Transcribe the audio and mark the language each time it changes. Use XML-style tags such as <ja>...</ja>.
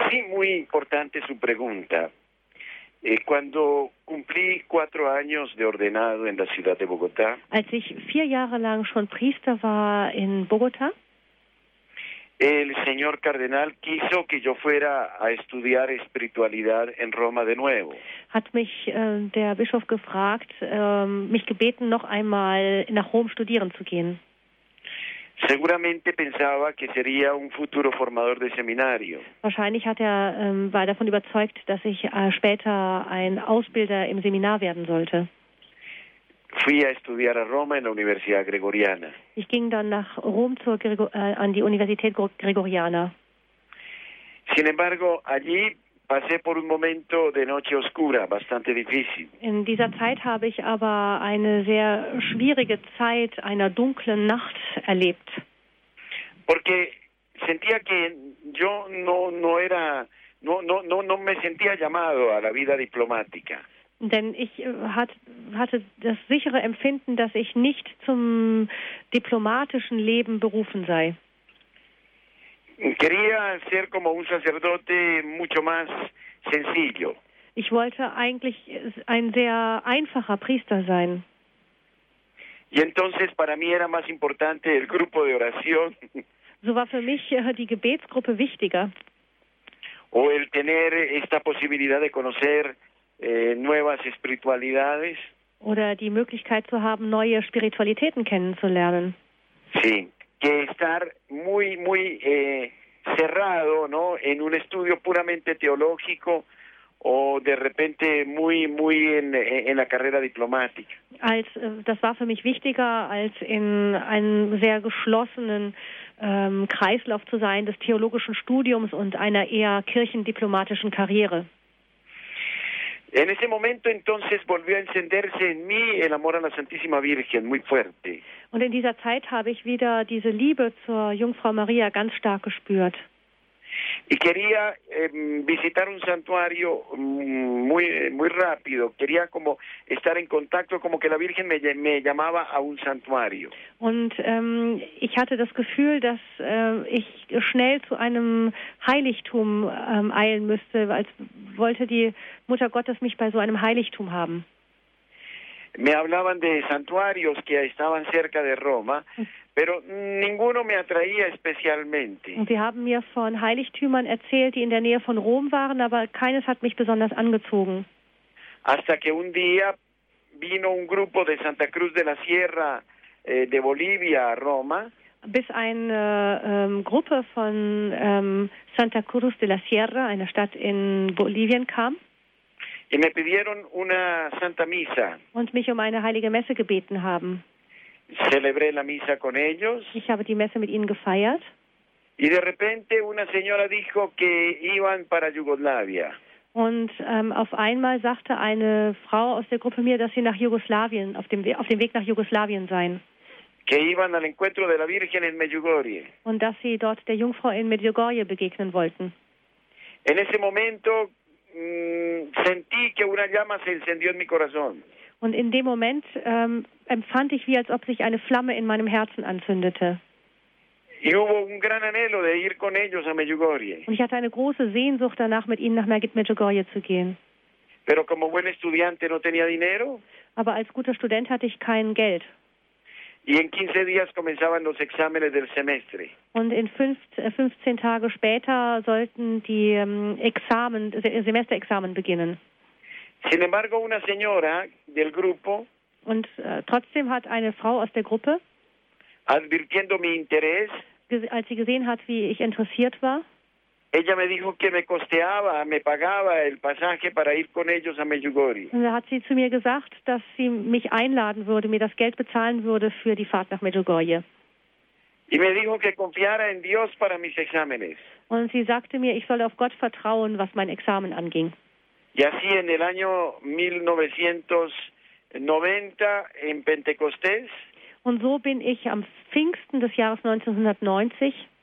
<es>Sí, muy importante su pregunta. Cuando cumplí 4 años de ordenado en la ciudad de Bogotá.</es> <de>Als ich 4 Jahre lang schon Priester war in Bogotá.</de> <es>El señor cardenal quiso que yo fuera a estudiar espiritualidad en Roma de nuevo.</es> <de>Hat mich der Bischof gefragt, mich gebeten, noch einmal nach Rom studieren zu gehen.</de> <es>Seguramente pensaba que sería un futuro formador de seminario.</es> <de>Wahrscheinlich hat er war davon überzeugt, dass ich später ein Ausbilder im Seminar werden sollte.</de> <es>Fui a estudiar a Roma en la Universidad Gregoriana.</es> <de>Ich ging dann nach Rom zur an die Universität Gregoriana.</de> <es>Sin embargo, allí pasé por un momento de noche oscura, bastante difícil.</es> <de>In dieser Zeit habe ich aber eine sehr schwierige Zeit einer dunklen Nacht erlebt.</de> <es>Porque sentía que yo no me sentía llamado a la vida diplomática.</es> <de>Denn ich hatte das sichere Empfinden, dass ich nicht zum diplomatischen Leben berufen sei.</de> <es>Quería ser como un sacerdote mucho más sencillo.</es> <de>Ich wollte eigentlich ein sehr einfacher Priester sein.</de> <es>Y entonces para mí era más importante el grupo de oración.</es> <de>So war für mich die Gebetsgruppe wichtiger.</de> <es>O el tener esta posibilidad de conocer nuevas espiritualidades.</es> <de>Oder die Möglichkeit zu haben, neue Spiritualitäten kennenzulernen.</de> <es>Sí, que estar muy, muy cerrado, ¿no? En un estudio puramente teológico o de repente muy, muy en la carrera diplomática.</es> <de>Als, das war für mich wichtiger, als in einem sehr geschlossenen Kreislauf zu sein, des theologischen Studiums und einer eher kirchendiplomatischen Karriere.</de> <es>En ese momento entonces volvió a encenderse en mí el amor a la Santísima Virgen muy fuerte.</es> <de>Und in dieser Zeit habe ich wieder diese Liebe zur Jungfrau Maria ganz stark gespürt.</de> <es>Y quería visitar un santuario muy muy rápido. Quería como estar en contacto, como que la Virgen me llamaba a un santuario.</es> <de>Und ich hatte das Gefühl, dass ich schnell zu einem Heiligtum eilen müsste, als wollte die Mutter Gottes mich bei so einem Heiligtum haben.</de> <es>Me hablaban de santuarios que estaban cerca de Roma, pero ninguno me atraía especialmente.</es> <de>Sie haben mir von Heiligtümern erzählt, die in der Nähe von Rom waren, aber keines hat mich besonders angezogen.</de> <es>Hasta que un día vino un grupo de Santa Cruz de la Sierra de Bolivia a Roma.</es> <de>Bis eine Gruppe von Santa Cruz de la Sierra, einer Stadt in Bolivien, kam.</de> <es>Y me pidieron una Santa Misa.</es> <de>Und mich um eine heilige Messe gebeten haben.</de> <es>Celebré la misa con ellos.</es> <de>Ich habe die Messe mit ihnen gefeiert.</de> <es>Y de repente una señora dijo que iban para Yugoslavia.</es> <de>Und auf einmal sagte eine Frau aus der Gruppe mir, dass sie nach Jugoslawien, auf dem Weg nach Jugoslawien seien.</de> <es>Que iban al encuentro de la Virgen en Medjugorje.</es> <de>Und dass sie dort der Jungfrau in Medjugorje begegnen wollten.</de> <es>En ese momento sentí que una llama se encendió en mi corazón.</es> <de>Und in dem Moment empfand ich, wie als ob sich eine Flamme in meinem Herzen anzündete.</de> <es>Y hubo un gran anhelo de ir con ellos a Medjugorje.</es> <de>Und ich hatte eine große Sehnsucht danach, mit ihnen nach Medjugorje zu gehen.</de> <es>Pero como buen estudiante no tenía dinero.</es> <de>Aber als guter Student hatte ich kein Geld.</de> <es>Y en 15 días comenzaban los exámenes del semestre.</es> <de>Und in 15 Tage später sollten die Semesterexamen beginnen.</de> <es>Sin embargo, una señora del grupo.</es> <de>Und trotzdem hat eine Frau aus der Gruppe.</de> <es>Advirtiendo mi interés.</es> <de>Als sie gesehen hat, wie ich interessiert war.</de> <es>Ella me dijo que me costeaba, me pagaba el pasaje para ir con ellos a Medjugorje.</es> <de>Und da hat sie zu mir gesagt, dass sie mich einladen würde, mir das Geld bezahlen würde für die Fahrt nach Medjugorje.</de> <es>Y me dijo que confiara en Dios para mis exámenes.</es> <de>Und sie sagte mir, ich solle auf Gott vertrauen, was mein Examen anging.</de> <es>Y así en el año 1990 en Pentecostés.</es> <de>Und so bin ich am Pfingsten des Jahres 1990.</de>